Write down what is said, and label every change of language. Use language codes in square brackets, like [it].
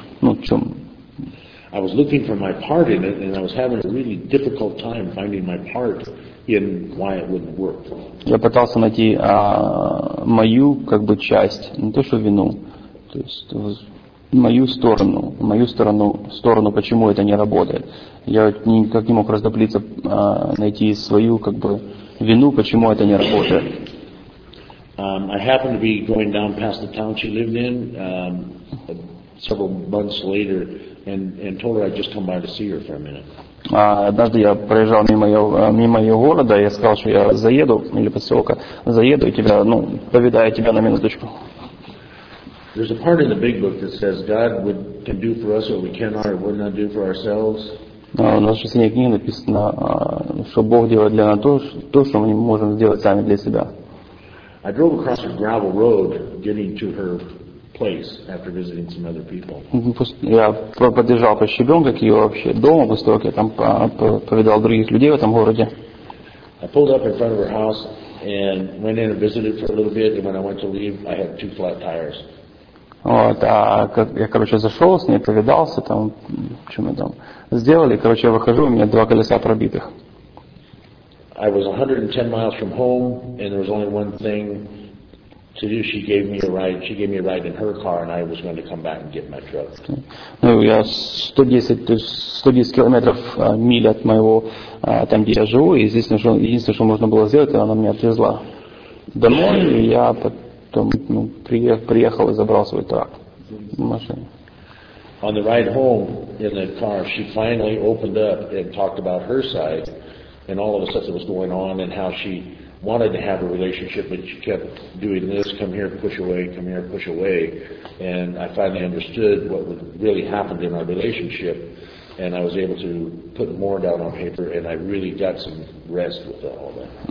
[ru] Ну, в чем. [en] I was looking for my part in it, and I was having a really difficult time finding my part in why it wouldn't work. [ru] Я пытался найти мою как бы часть, не то что вину, то есть мою сторону, почему это не работает. Я никак не мог раздоплиться, найти свою как бы вину, почему это не работает. [en] I happened to be going down past the town she lived in several months later, and told her I'd just come by to see her for a minute. [ru] Однажды я проезжал мимо ее города, и я сказал, что я заеду, или поселка, заеду и тебя, ну, повидаю тебя на минуточку. [en] There's a part in the big book that says God would can do for us what we cannot or would not do for ourselves. [ru] У нас в Священной книге написано, что Бог делает для нас то, что мы не можем сделать сами для себя. [en] I drove across a gravel road getting to her place after visiting some other people. [ru] Я подъезжал по щебенке к ее вообще дому в Истоке, там повидал других людей в этом городе. [en] I pulled up in front of her house and went in and visited for a little bit, and when I went to leave, I had two flat tires. [ru] Вот, а я, короче, зашел с ней, повидался, там, что мы там сделали, короче, я выхожу, у меня два колеса пробитых. [en] I was 110 miles from home, and there was only one thing to do. She gave me a ride in her car, and I was going to come back and get my truck. [ru] Ну, я 110 километров миль от моего, там, где я живу, и единственное, что можно было сделать, она меня отвезла домой, и я потом, ну, приехал и забрал свой трак в машине. [en] On the ride home in the car, she finally opened up and talked about her side and all of a sudden what was going on and how she wanted to have a relationship, but she kept doing this, come here, push away, come here, push away. And I finally understood what really happened in our relationship, and I was able to put more down on paper, and I really got some rest with all of that.